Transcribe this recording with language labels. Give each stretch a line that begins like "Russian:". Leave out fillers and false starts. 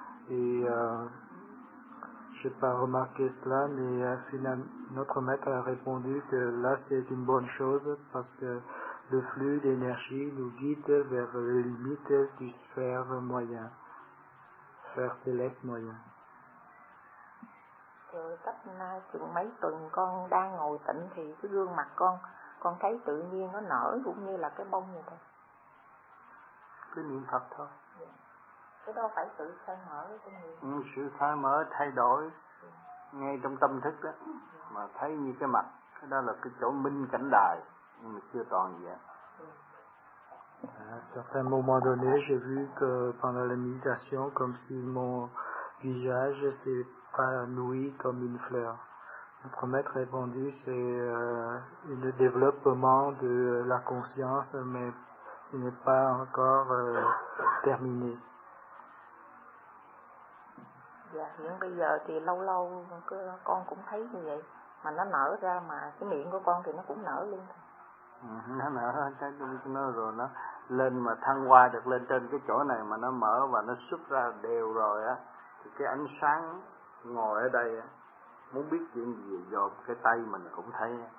French: Et je n'ai pas remarqué cela, mais notre maître a répondu que là, c'est une bonne chose parce que le flux d'énergie nous guide vers les limites du sphère moyen, sphère céleste moyen.
Vietnamese: Rồi cách nay chừng mấy tuần con đang ngồi tĩnh thì cái gương mặt con thấy tự nhiên nó nở cũng như là cái bông vậy thôi. Cái niệm Phật thôi. Cái đó phải tự khai mở cái niệm. Sự khai mở thay đổi ngay trong tâm thức đó. Mà thấy như cái mặt, cái đó là cái chỗ minh cảnh đài, nhưng mà chưa toàn gì hết.
French: À un certain moment donné, j'ai vu que pendant la méditation, comme si mon visage s'est pas nourri comme une fleur. Notre maître répondu, c'est le développement de la conscience, mais ce n'est pas encore terminé.
Vietnamese: Dạ, hiện bây giờ thì lâu lâu con cũng thấy như vậy, mà nó nở ra, mà cái miệng của con thì nó cũng nở luôn. Nó nở, nó rồi nó lên mà thăng hoa được lên trên cái chỗ này mà nó mở và nó xuất ra đều rồi á, thì cái ánh sáng ngồi ở đây muốn biết chuyện gì do cái tay mình cũng thấy.